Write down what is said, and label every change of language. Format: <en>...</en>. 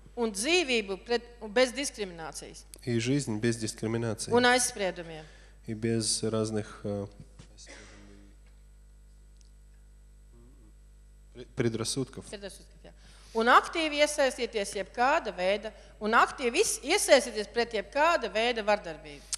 <lv>Un dzīvību pret, bez diskriminācijas.</lv> <ru>И жизнь без дискриминации.</ru> <lv>Un aizspriedumiem.</lv> <ru>И без разных предрассудков. Предрассудков, jā.</ru> <lv>Un aktīvi iesaistieties jebkāda veida, un aktīvi iesaistieties pret jebkāda veida vardarbību.</lv>